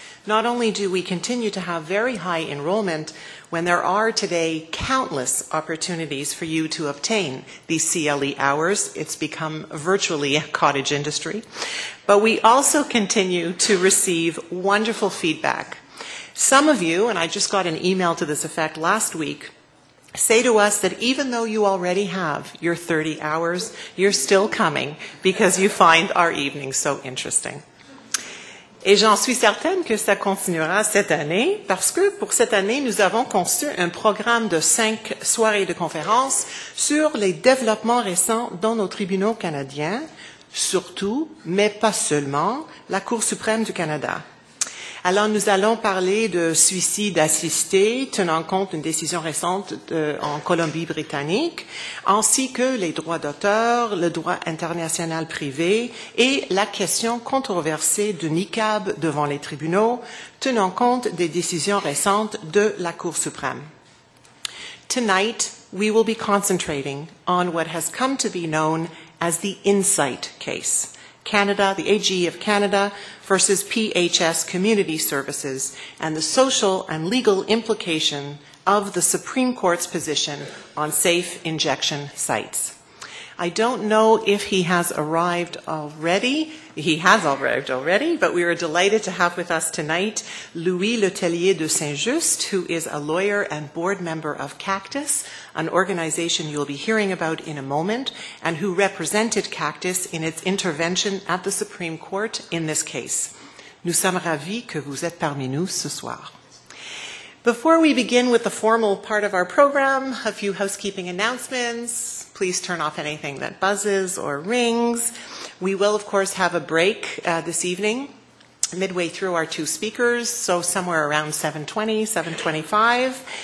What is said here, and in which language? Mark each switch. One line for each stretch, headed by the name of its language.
English: Not only do we continue to have very high enrollment, when there are today countless opportunities for you to obtain these CLE hours, it's become virtually a cottage industry, but we also continue to receive wonderful feedback. Some of you, and I just got an email to this effect last week, say to us that even though you already have your 30 hours, you're still coming because you find our evening so interesting.
French: Et j'en suis certaine que ça continuera cette année, parce que pour cette année, nous avons conçu un programme de 5 soirées de conférences sur les développements récents dans nos tribunaux canadiens, surtout, mais pas seulement, la Cour suprême du Canada. Alors, nous allons parler de suicide assisté, tenant compte d'une décision récente en Colombie-Britannique, ainsi que les droits d'auteur, le droit international privé et la question controversée du niqab devant les tribunaux, tenant compte des décisions récentes de la Cour suprême.
English: Tonight, we will be concentrating on what has come to be known as the Insight case. Canada, the AG of Canada versus PHS Community Services, and the social and legal implication of the Supreme Court's position on safe injection sites. I don't know if he has arrived already. He has arrived already, but we are delighted to have with us tonight Louis Letellier de Saint-Just, who is a lawyer and board member of CACTUS, an organization you'll be hearing about in a moment, and who represented CACTUS in its intervention at the Supreme Court in this case.
French: Nous sommes ravis que vous êtes parmi nous ce soir.
English: Before we begin with the formal part of our program, a few housekeeping announcements. Please turn off anything that buzzes or rings. We will, of course, have a break this evening, midway through our 2 speakers, so somewhere around 7:20, 7:25.